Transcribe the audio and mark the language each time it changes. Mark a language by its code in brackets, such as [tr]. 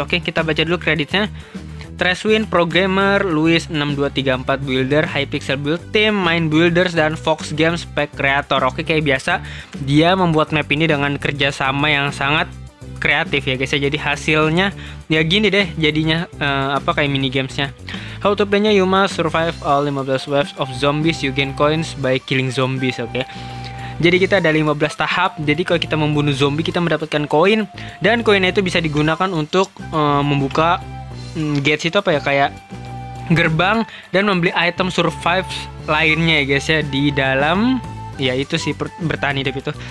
[id] Oke, kita baca dulu kreditnya. Treswin, programmer, Louis 6234 builder, Hypixel build team, Mind builders, dan Fox Games pack creator. Oke, kayak biasa dia membuat map ini dengan kerjasama yang sangat kreatif ya guys ya. Jadi hasilnya ya gini deh jadinya, apa kayak mini gamesnya. [en] How to play-nya, you must survive all 15 waves of zombies, you gain coins by killing zombies. [id] Oke, jadi kita ada 15 tahap. Jadi kalau kita membunuh zombie kita mendapatkan koin, dan koinnya itu bisa digunakan untuk membuka gates itu apa ya, kayak gerbang, dan membeli item survive lainnya ya guys ya di dalam, ya itu sih bertahan hidup itu.